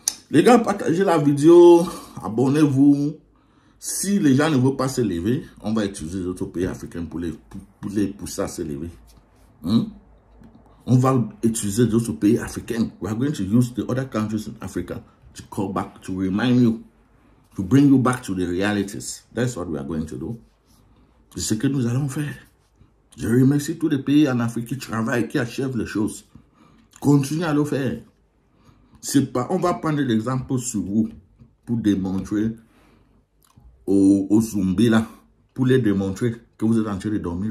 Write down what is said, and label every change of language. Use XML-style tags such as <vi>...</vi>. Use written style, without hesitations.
<fr>Les gars, partagez la vidéo. Abonnez-vous. Si les gens ne veulent pas se lever, on va utiliser d'autres pays africains pour les pousser à se lever. On va utiliser d'autres pays africains.</fr> <en>We are going to use the other countries in Africa to call back, to remind you, to bring you back to the realities. That's what we are going to do.</en> <fr>C'est ce que nous allons faire. Je remercie tous les pays en Afrique qui travaillent, qui achèvent les choses. Continuez à le faire. C'est pas, on va prendre l'exemple sur vous pour démontrer aux zombies là, pour les démontrer que vous êtes en train de dormir.</fr>